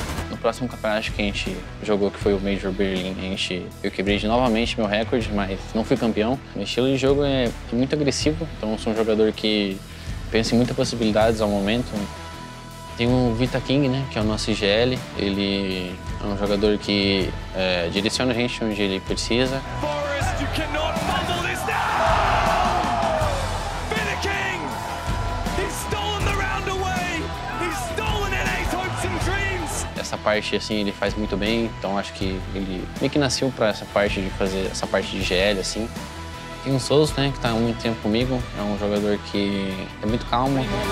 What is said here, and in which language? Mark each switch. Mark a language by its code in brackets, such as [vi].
[pt] No próximo campeonato que a gente jogou, que foi o Major Berlin, eu quebrei novamente meu recorde, mas não fui campeão. Meu estilo de jogo é muito agressivo, então eu sou um jogador que penso em muitas possibilidades ao momento. Tem o Vita King, né, que é o nosso IGL. Ele é um jogador que direciona a gente onde ele precisa. [en] Forest, you cannot fumble this now! Vita King! He's stolen the round away! He's stolen NA's hopes and dreams! [pt] Essa parte, assim, ele faz muito bem. Então, acho que ele meio que nasceu para essa parte de fazer essa parte de IGL, assim. Tem o Souza, né, que tá há muito tempo comigo, é um jogador que é muito calmo.